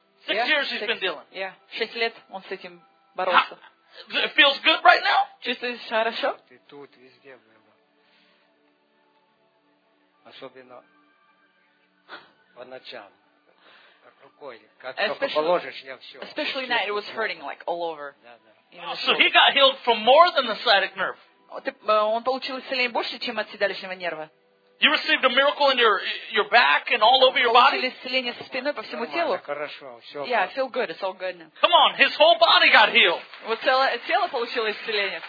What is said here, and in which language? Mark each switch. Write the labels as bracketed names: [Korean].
[Russian] Шесть лет он с этим боролся. [English] How? It feels good right now? [Russian] Чувствуешь хорошо? Ты тут, везде было. Особенно по ночам. Как рукой, как только положишь, я все. [English] Especially night, it was hurting like all over. So he got healed from more than the sciatic nerve. [Russian] Он получил исцеление больше, чем от седалищного нерва. [English] You received a miracle in your back and all over your body? [Russian] Исцеление со спиной по всему телу. Хорошо, все. [English] Yeah, I feel good. It's all good now. Come on, his whole body got healed. [Russian] Вот тело получило исцеление.